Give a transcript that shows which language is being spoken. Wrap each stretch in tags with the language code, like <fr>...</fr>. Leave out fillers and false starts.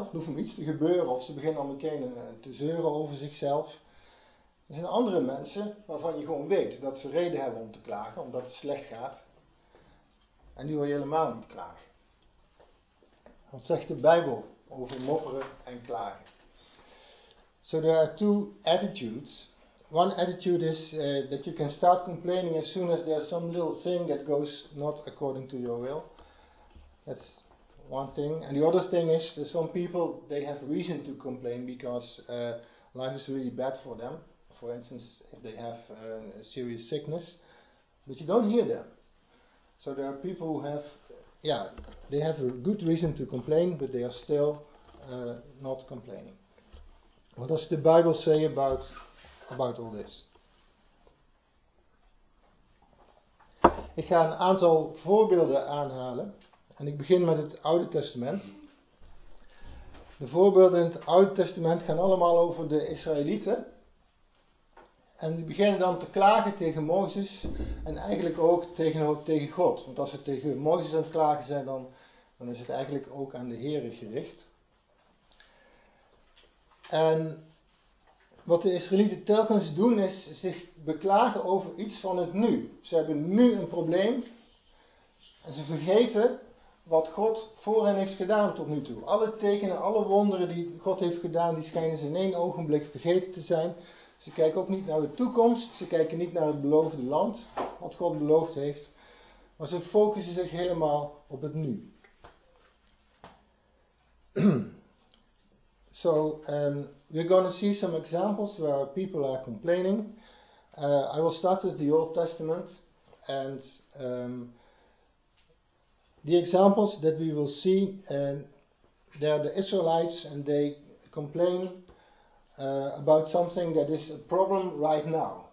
<nl>Er hoeft om iets te gebeuren of ze beginnen al meteen te zeuren over zichzelf. Er zijn andere mensen waarvan je gewoon weet dat ze reden hebben om te klagen, omdat het slecht gaat. En die wil je helemaal niet klagen. Wat zegt de Bijbel over mopperen en klagen?</nl> <en>So there are two attitudes. One attitude is that you can start complaining as soon as there's some little thing that goes not according to your will. That's one thing. And the other thing is that some people, they have reason to complain because life is really bad for them. For instance, if they have a serious sickness. But you don't hear them. So there are people who have, they have a good reason to complain, but they are still not complaining. What does the Bible say about all this?</en> <nl>Ik ga een aantal voorbeelden aanhalen. En ik begin met het Oude Testament. De voorbeelden in het Oude Testament gaan allemaal over de Israëlieten. En die beginnen dan te klagen tegen Mozes en eigenlijk ook tegen God. Want als ze tegen Mozes aan het klagen zijn, dan is het eigenlijk ook aan de Heere gericht. En wat de Israëlieten telkens doen is zich beklagen over iets van het nu. Ze hebben nu een probleem en ze vergeten wat God voor hen heeft gedaan tot nu toe. Alle tekenen, alle wonderen die God heeft gedaan, die schijnen ze in één ogenblik vergeten te zijn. Ze kijken ook niet naar de toekomst, ze kijken niet naar het beloofde land, wat God beloofd heeft. Maar ze focussen zich helemaal op het nu.</nl> <en>So, we're going to see some examples where people are complaining. I will start with the Old Testament. And the examples that we will see, they are the Israelites and they complain about something that is a problem right now.</en>